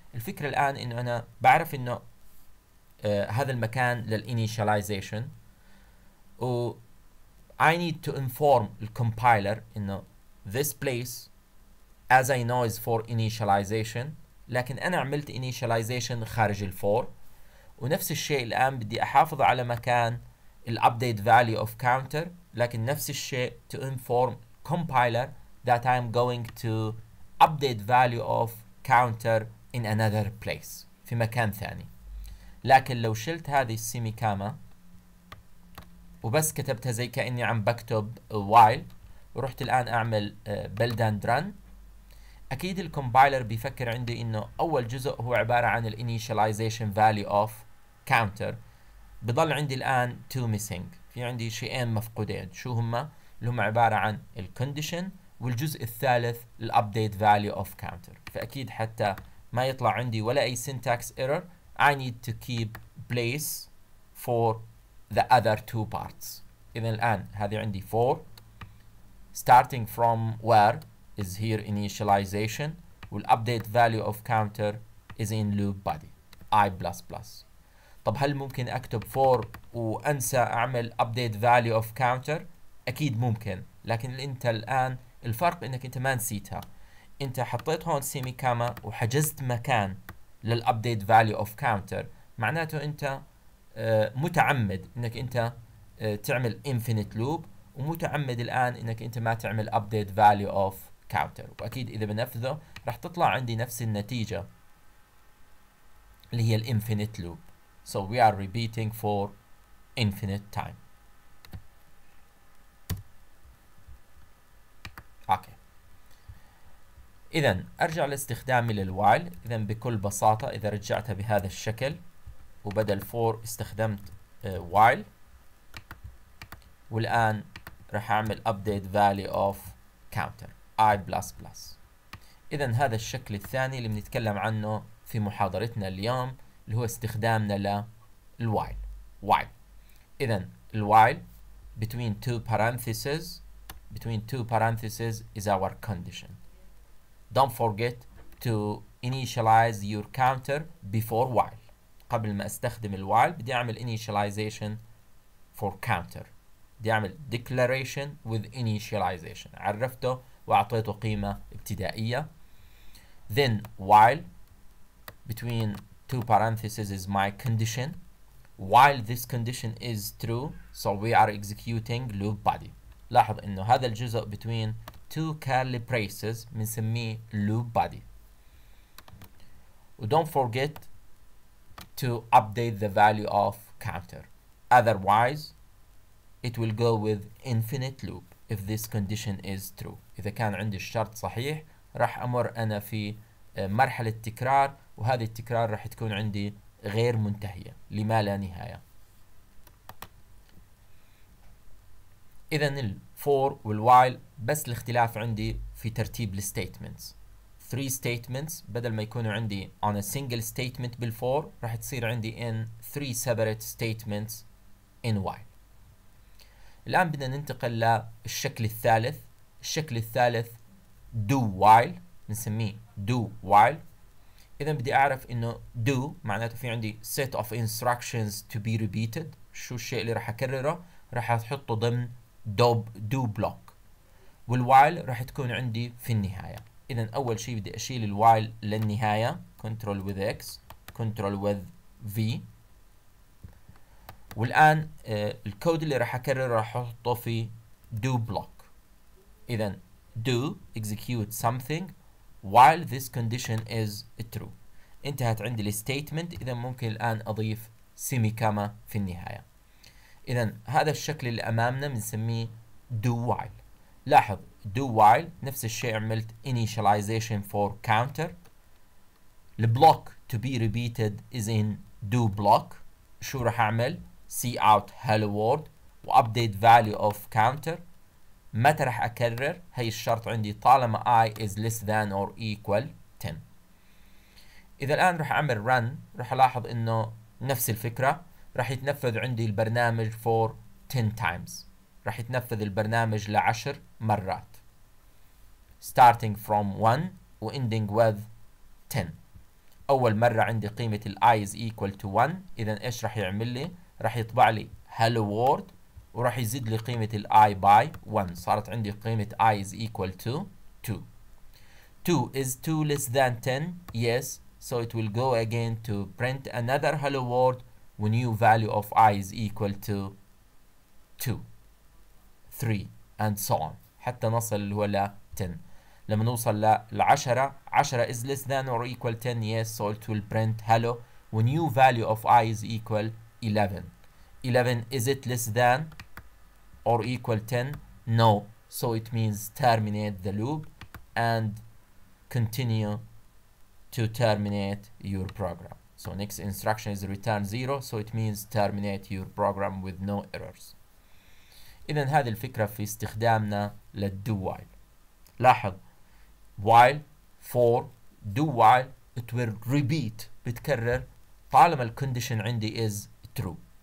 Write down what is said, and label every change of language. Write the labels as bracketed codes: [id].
[ar] الفكرة الان انه انا بعرف انه هذا المكان للانيشاليزيشن و [en] I need to inform the compiler [ar] انه [en] this place as I know is for initialization، [ar] لكن انا عملت initialization خارج الفور. ونفس الشيء الان بدي احافظ على مكان الابديت [en] value of counter، [ar] لكن نفس الشيء [en] to inform compiler that I am going to update value of counter in another place، [ar] في مكان ثاني. لكن لو شلت هذه السيمي كاما وبس كتبتها زي كأني عم بكتب while ورحت الآن أعمل [en] build and run، [ar] أكيد الكمبايلر بيفكر عندي إنه أول جزء هو عبارة عن الـ [en] initialization value of counter. [ar] بضل عندي الآن [en] two missing، [ar] في عندي شيئين مفقودين. شو هما؟ اللي هما عبارة عن الـ condition والجزء الثالث الـ [en] update value of counter. [ar] فأكيد حتى ما يطلع عندي ولا أي [en] syntax error I need to keep place for the other two parts. [ar] إذن الآن هذه عندي [en] for starting from where is here initialization والupdate value of counter is in loop body i++. [ar] طب هل ممكن أكتب for وأنسى أعمل [en] update value of counter؟ [ar] أكيد ممكن، لكن أنت الآن الفرق إنك أنت ما نسيتها، أنت حطيت هون سيمي كاما وحجزت مكان للأبديت value of counter، معناته أنت متعمد أنك أنت تعمل [en] infinite loop [ar] ومتعمد الآن أنك أنت ما تعمل update value of counter. وأكيد إذا بنفذه راح تطلع عندي نفس النتيجة اللي هي infinite loop. [en] So we are repeating for infinite time. [ar] إذا أرجع لاستخدامي للوايل. إذا بكل بساطة إذا رجعتها بهذا الشكل وبدل فور استخدمت وايل، والآن رح أعمل [en] update value of counter i++. [ar] إذا هذا الشكل الثاني اللي بنتكلم عنه في محاضرتنا اليوم اللي هو استخدامنا للوايل. وايل إذا الوايل [en] between two parentheses is our condition. Don't forget to initialize your counter before while. [ar] قبل ما استخدم الوايل بدي اعمل [en] initialization for counter. [ar] بدي اعمل [en] declaration with initialization. [ar] عرفته واعطيته قيمة ابتدائية. [en] Then while between two parentheses is my condition. While this condition is true, so we are executing loop body. [ar] لاحظ انه هذا الجزء [en] between two curly braces [ar] بنسميه [en] loop body. و don't forget to update the value of counter. Otherwise it will go with infinite loop if this condition is true. [ar] إذا كان عندي الشرط صحيح راح أمر أنا في مرحلة تكرار، وهذه التكرار راح تكون عندي غير منتهية لما لا نهاية. إذا for والwhile بس الاختلاف عندي في ترتيب الstatements. [en] three statements [ar] بدل ما يكونوا عندي [en] on a single statement [ar] بالfor راح تصير عندي [en] in three separate statements in while. [ar] الآن بدنا ننتقل للشكل الثالث. الشكل الثالث do while، نسميه do while. إذا بدي أعرف إنه do معناته في عندي [en] set of instructions to be repeated. [ar] شو الشيء اللي راح أكرره؟ راح أحطه ضمن do block. والوايل راح تكون عندي في النهاية. إذا أول شيء بدي أشيل الوايل للنهاية. [en] Control with X، Control with V. [ar] والآن الكود اللي راح أكرر راح أحطه في [en] do block. إذن do execute something while this condition is true. [ar] انتهت عندي الستيتمنت، إذا ممكن الآن أضيف سيمي كاما في النهاية. إذا هذا الشكل اللي أمامنا بنسميه do while. لاحظ do while نفس الشيء عملت [en] initialization for counter. البلوك to be repeated is in do block. [ar] شو راح أعمل؟ [en] see out hello world و update value of counter. [ar] متى راح أكرر؟ هي الشرط عندي طالما [en] i is less than or equal 10. [ar] إذا الآن راح أعمل run، راح ألاحظ إنه نفس الفكرة، راح يتنفذ عندي البرنامج [en] for 10 times، [ar] راح يتنفذ البرنامج لعشر مرات [en] starting from 1 و ending with 10. [ar] أول مرة عندي قيمة ال i [en] is equal to 1، [ar] إذا إيش راح يعمل لي؟ راح يطبع لي hello world وراح يزيد لي قيمة ال i [en] by 1، [ar] صارت عندي قيمة i [en] is equal to 2. 2 is 2 less than 10؟ Yes. So it will go again to print another hello world when new value of i is equal to 2, 3 and so on [ar] حتى نصل اللي هو ل [en] 10. [ar] لما نوصل للعشرة، [en] 10 is less than or equal 10؟ Yes. So it will print hello when new value of i is equal 11. 11 is it less than or equal 10؟ No. So it means terminate the loop and continue to terminate your program. So next instruction is return 0. So it means terminate your program with no errors. [ar] إذن هذه الفكرة في استخدامنا للdo while. [en] لاحظ while for do while it will repeat [ar] بتكرر طالما ال [en] condition عندي is true.